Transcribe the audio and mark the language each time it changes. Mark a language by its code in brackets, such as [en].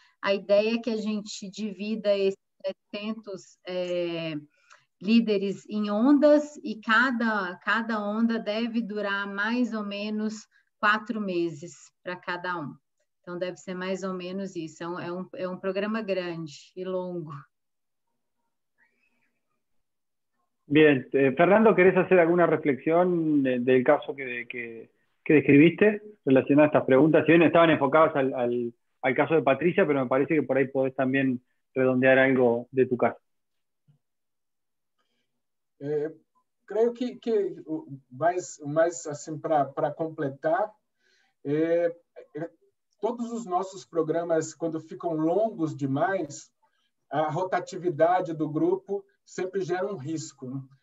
[pt] A ideia é que a gente divida esses 700 líderes em ondas, e cada onda deve durar mais ou menos 4 meses para cada um. Então, deve ser mais ou menos isso. É um programa grande e longo. [es] Bien, Fernando, ¿querés hacer alguna reflexión del caso que describiste relacionado a estas preguntas? Si bien estaban enfocadas al caso de Patricia, pero me parece que por ahí podés también redondear algo de tu caso. [pt] Creio que mais assim para completar, todos os nossos programas, quando ficam longos demais, a rotatividade do grupo sempre gera um risco, né?